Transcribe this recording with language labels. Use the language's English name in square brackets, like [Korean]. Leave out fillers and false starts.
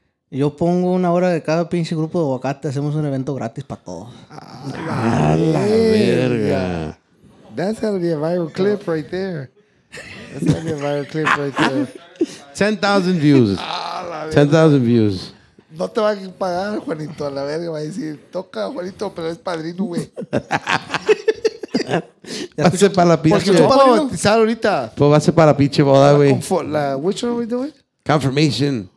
[Spanish] Yo pongo una hora de cada pinche grupo de aguacate. Hacemos un evento gratis para todos. ¡A la verga! [English] That's gotta be a viral clip right there. That's gotta be a viral clip right there. 10,000 views. [Spanish] ¡A la verga! [English] 10,000 views. [Spanish] No te van a pagar, Juanito. A la verga va a decir, toca, Juanito, pero es padrino, güey. Va a ser para la pinche boda. ¿Por qué tú vas a bautizar ahorita? Pues va a ser para la pinche boda, güey. [English] ¿Which one are we doing? Confirmation.